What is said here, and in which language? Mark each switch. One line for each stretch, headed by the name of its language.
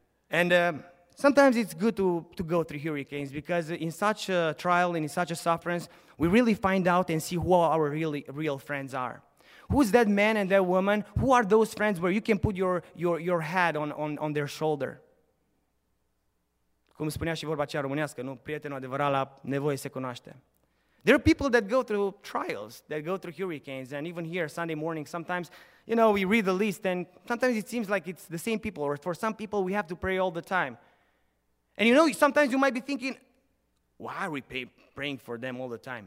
English: And sometimes it's good to go through hurricanes, because in such a trial and in such a sufferance, we really find out and see who our real friends are. Who's that man and that woman? Who are those friends where you can put your head on their shoulder?
Romanian: Cum spunea și vorba aceea românească, nu? Prietenul adevărat la nevoie se cunoaște.
English: There are people that go through trials, that go through hurricanes, and even here, Sunday morning, sometimes, you know, we read the list, and sometimes it seems like it's the same people, or for some people, we have to pray all the time. And you know, sometimes you might be thinking, why are we praying for them all the time?